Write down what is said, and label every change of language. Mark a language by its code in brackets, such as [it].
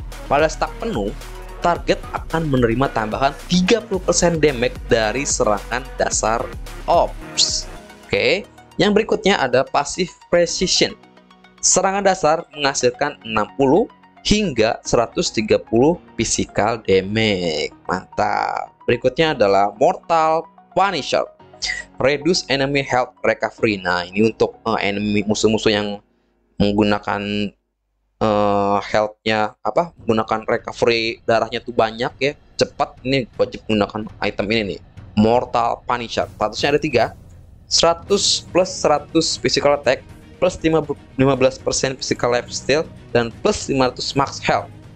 [id] Pada stack penuh, target akan menerima tambahan 30% damage dari serangan dasar Ops. Oke, yang berikutnya ada pasif Precision. Serangan dasar menghasilkan 60 hingga 130 physical damage. Mantap. Berikutnya adalah Mortal Punisher. [en] Reduce enemy health recovery. [id] Nah, ini untuk enemy musuh-musuh yang menggunakan health-nya apa? Menggunakan recovery darahnya tuh banyak ya. Cepat ini wajib menggunakan item ini nih. Mortal Punisher. Statusnya ada 3. 100 plus 100 physical attack plus 15% physical life steal dan plus 500 max health.